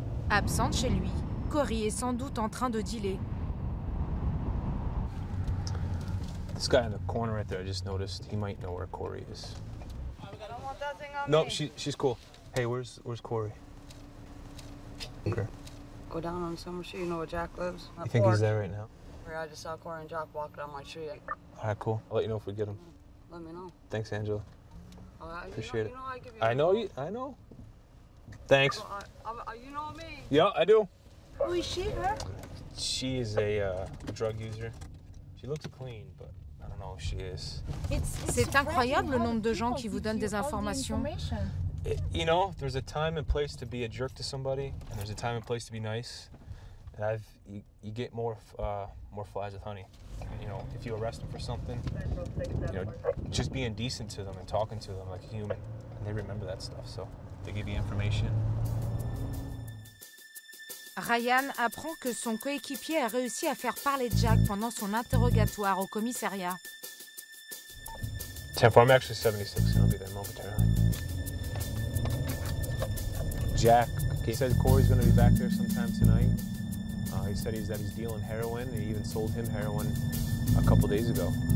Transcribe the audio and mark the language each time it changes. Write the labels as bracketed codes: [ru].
[fr] Absent chez lui, Corey est sans doute en train de dealer. [en] This guy in the corner right there, I just noticed he might know where Corey is. I don't want that thing on nope, me. She's cool. Hey, where's Corey? Okay. Go down on some street, you know where Jack lives? You think he's there right now? Where I just saw Corey and Jack walking down my street. Alright, cool. I'll let you know if we get him. Let me know. Thanks, Angela. Appreciate it. I know. Thanks. You know me. Yeah, I do. Who is she, huh? She is a drug user. She looks clean, but I don't know if she is. [fr] C'est incroyable le nombre de gens qui vous donnent des informations. [en] You know, there's a time and place to be a jerk to somebody, and there's a time and place to be nice. And you get more flies with honey. You know, if you arrest them for something, you know, just being decent to them and talking to them like a human, and they remember that stuff, so they give you information. [fr] Ryan apprend que son coéquipier a réussi à faire parler Jack pendant son interrogatoire au commissariat. [en] 10-4, I'm actually 76, and I'll be there momentarily. Jack, he said Corey's going to be back there sometime tonight. He said he's dealing heroin, and he even sold him heroin a couple days ago.